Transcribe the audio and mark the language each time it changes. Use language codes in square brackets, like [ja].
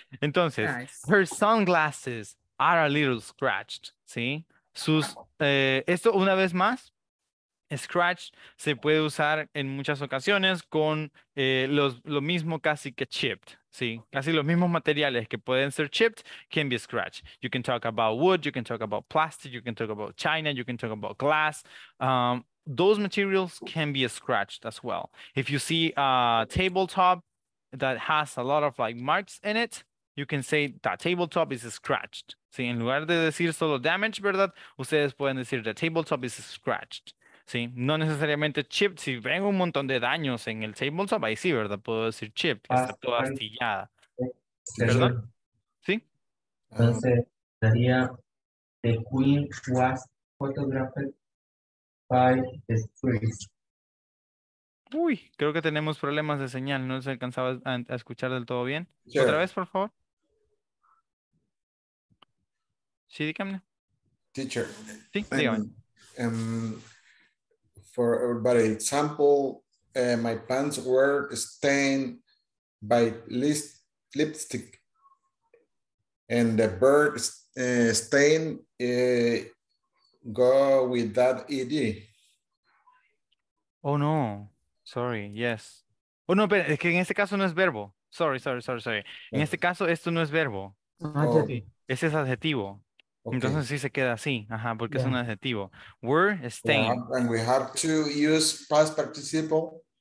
[es] Entonces, [en] her sunglasses are a little scratched. ¿Sí? [es] Esto, una vez más, scratch se puede usar en muchas ocasiones con lo mismo casi que chipped. Sí, casi los mismos materiales que pueden ser chipped [en] can be scratched. You can talk about wood, you can talk about plastic, you can talk about china, you can talk about glass. Those materials can be scratched as well. If you see a tabletop that has a lot of like marks in it, you can say that tabletop is scratched. [es] Sí, en lugar de decir solo damage, ¿verdad? Ustedes pueden decir [en] the tabletop is scratched. [es] Sí, no necesariamente chipped. Si ven un montón de daños en el tabletop, ahí sí, ¿verdad? Puedo decir chipped, que está toda astillada. ¿Perdón? ¿Sí? [en] Entonces, sería the queen was photographed by the priest. [es] Uy, creo que tenemos problemas de señal. No se alcanzaba a escuchar del todo bien. [en] Sure. [es] ¿Otra vez, por favor? Sí, dígame. [en] Teacher. [es] Sí, dígame. [en] For everybody, example, my pants were stained by lipstick, and the bird stain go with that ed. Oh no, sorry, yes. [es] Oh no, pero es que en este caso no es verbo. [en] Sorry. [es] En este caso esto no es verbo. Adjetivo. Ese es adjetivo. Okay. Entonces sí se queda así, ajá, porque es un adjetivo. [en] We're staying. And we have to use past participle.